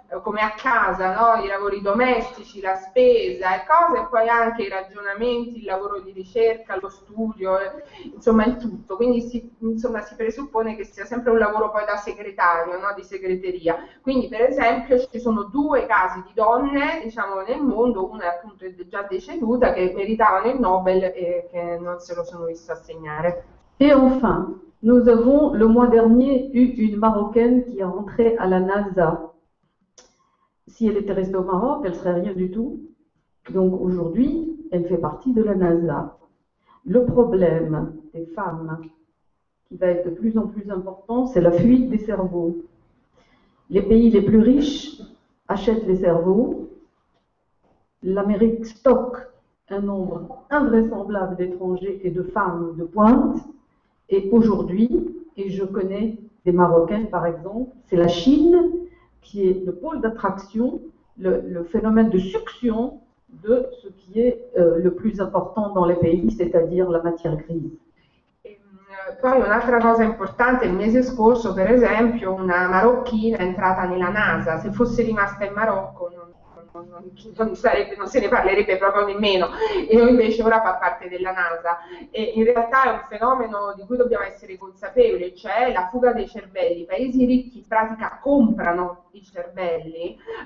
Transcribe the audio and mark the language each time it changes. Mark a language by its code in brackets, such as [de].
[it] Come a casa, no? I lavori domestici, la spesa e cose, e poi anche i ragionamenti, il lavoro di ricerca, lo studio, insomma il tutto. Quindi si presuppone che sia sempre un lavoro poi da segretario, no? Di segreteria. Quindi per esempio ci sono due casi di donne, diciamo, nel mondo, una appunto è già deceduta, che meritavano il Nobel e che non se lo sono visto assegnare. [fr] E enfin, nous avons le mois dernier eu une Marocaine qui est rentrée à la NASA. Si elle était restée au Maroc, elle serait rien du tout. Donc aujourd'hui, elle fait partie de la NASA. Le problème des femmes, qui va être de plus en plus important, c'est la fuite des cerveaux. Les pays les plus riches achètent les cerveaux. L'Amérique stocke un nombre invraisemblable d'étrangers et de femmes de pointe. Et aujourd'hui, et je connais des Marocaines par exemple, c'est la Chine qui est le pôle d'attraction, le phénomène de succion de ce qui est le plus important dans les pays, c'est-à-dire la matière grise. [it] Poi un'altra cosa importante, il mese scorso per esempio una marocchina è entrata nella NASA, se fosse rimasta in Marocco non se ne parlerebbe proprio nemmeno, e invece ora fa parte della NASA. E in realtà è un fenomeno di cui dobbiamo essere consapevoli, cioè la fuga dei cervelli. I paesi ricchi in pratica comprano i cervelli,